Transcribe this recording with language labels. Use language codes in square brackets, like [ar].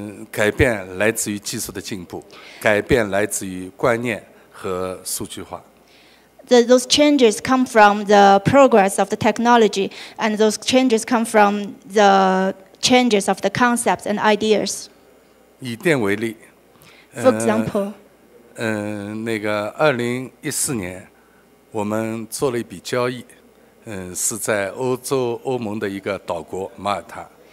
[zh] 改变来自于技术的进步，改变来自于观念和数据化。 [en] Those changes come from the progress of the technology, and those changes come from the changes of the concepts and ideas. [zh] 以电为例, [en] For example, [zh] 2014年, 我们做了一笔交易, 是在欧洲欧盟的一个岛国马耳他。